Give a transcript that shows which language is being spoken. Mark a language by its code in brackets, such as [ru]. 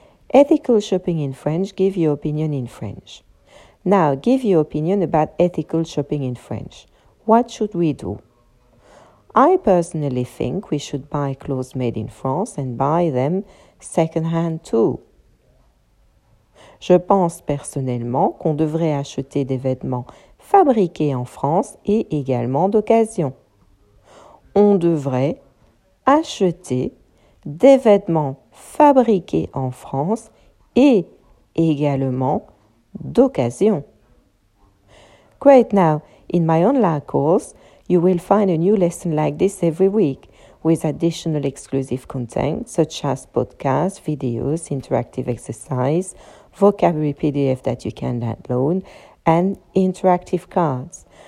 [en] Ethical shopping in French, give your opinion in French. Now, give your opinion about ethical shopping in French. What should we do? I personally think we should buy clothes made in France and buy them secondhand too. [fr] Je pense personnellement qu'on devrait acheter des vêtements fabriqués en France et également d'occasion. On devrait acheter des vêtements fabriqués en France et également d'occasion. [en] Great, now, in my online course, you will find a new lesson like this every week with additional exclusive content such as podcasts, videos, interactive exercises, vocabulary PDF that you can download, and interactive cards.